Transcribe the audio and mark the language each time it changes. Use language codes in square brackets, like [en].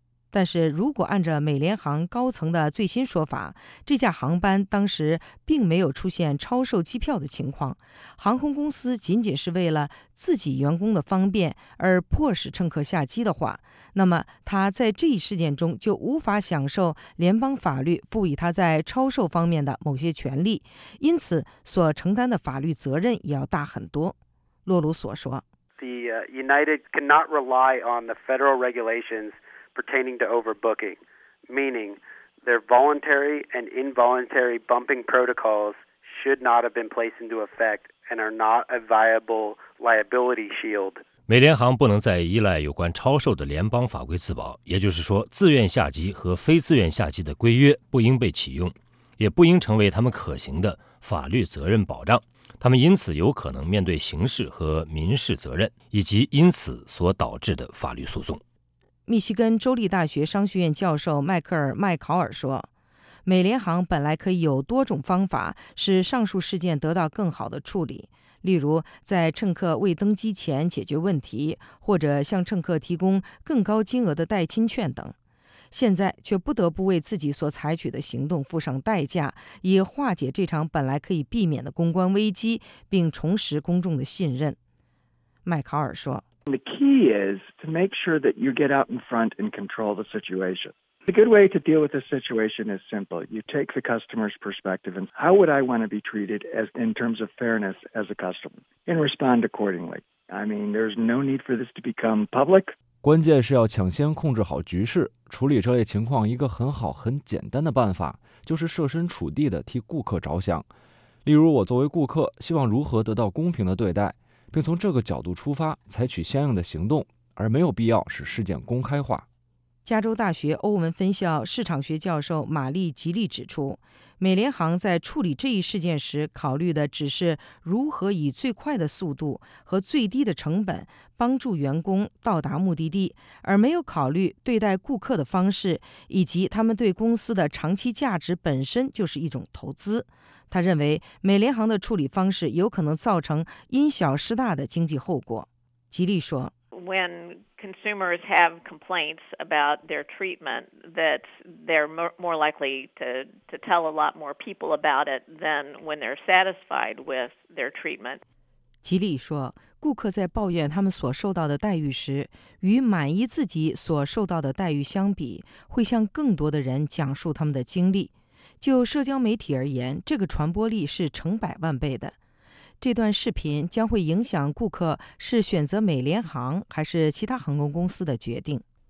[zh] 但是如果按照美联航高层的最新说法，这架航班当时并没有出现超售机票的情况，航空公司仅仅是为了自己员工的方便而迫使乘客下机的话，那么他在这一事件中就无法享受联邦法律赋予他在超售方面的某些权利，因此所承担的法律责任也要大很多。洛鲁索说， [en] The United cannot rely on the federal regulations pertaining to overbooking, meaning their voluntary and involuntary bumping protocols should not have been placed into effect and are not a viable liability shield. [zh] 美联航不能再依赖有关超售的联邦法规自保，也就是说，自愿下机和非自愿下机的规约不应被启用，也不应成为他们可行的法律责任保障。他们因此有可能面对刑事和民事责任，以及因此所导致的法律诉讼。密西根州立大学商学院教授迈克尔·麦考尔说，美联航本来可以有多种方法使上述事件得到更好的处理，例如在乘客未登机前解决问题，或者向乘客提供更高金额的代金券等，现在却不得不为自己所采取的行动付上代价，以化解这场本来可以避免的公关危机，并重拾公众的信任。麦考尔说， [en] The key is to make sure that you get out in front and control the situation. The good way to deal with this situation is simple. You take the customer's perspective and how would I want to be treated as in terms of fairness as a customer and respond accordingly. I mean, there's no need for this to become public. [zh] 关键是要抢先控制好局势，处理这类情况一个很好很简单的办法就是设身处地的替顾客着想。例如我作为顾客希望如何得到公平的对待。并从这个角度出发采取相应的行动，而没有必要使事件公开化。加州大学欧文分校市场学教授玛丽·吉利指出，美联航在处理这一事件时考虑的只是如何以最快的速度和最低的成本帮助员工到达目的地，而没有考虑对待顾客的方式以及他们对公司的长期价值本身就是一种投资。他认为美联航的处理方式有可能造成因小失大的经济后果。吉利说， [en] When consumers have complaints about their treatment, that they're more likely to tell a lot more people about it than when they're satisfied with their treatment. [zh] 吉利说，顾客在抱怨他们所受到的待遇时，与满意自己所受到的待遇相比，会向更多的人讲述他们的经历。就社交媒体而言，这个传播力是成百万倍的。这段视频将会影响顾客是选择美联航还是其他航空公司的决定。